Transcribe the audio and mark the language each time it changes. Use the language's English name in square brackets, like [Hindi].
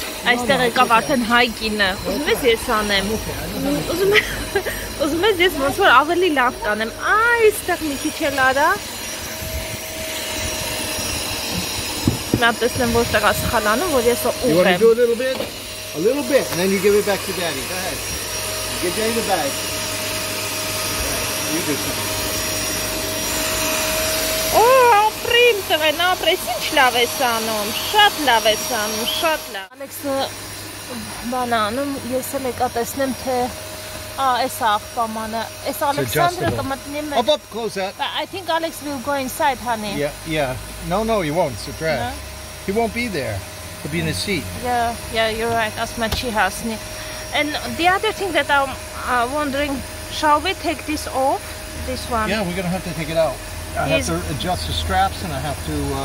[Armenian] Այստեղ եկավ արդեն հայ կինը, ուզում ես ես անեմ, ուզում ես ես ոնց որ ավելի լավ կանեմ, այստեղ մի քիչ էլ արա, նա տեսնեմ որտեղ ա սխալանում, որ ես ուղեմ։ [English] You want to do a little bit? A little bit, and then you give it back to daddy, go ahead, get daddy the bag, you do something. [Armenian] Օ՜, իմ տղեն ապրես, ինչ լավ ես անում, շատ լավ ես անում, շատ լավ։ Ալեքսը բան անում, ես էլ եկա տեսնեմ, թե այս աղբամանը, այս Ալեքսանդրը կմտնի մեր… [English] Up, close that. But I think Alex will go inside, honey. Yeah, yeah. No, no, he won't, so drag. He won't be there. He'll be in the seat. Yeah, yeah, you're right. That's my chihasni. And the other thing that I'm wondering, shall we take this off, this one? Yeah, we're going to have to take it out. I have to adjust the straps and I have to…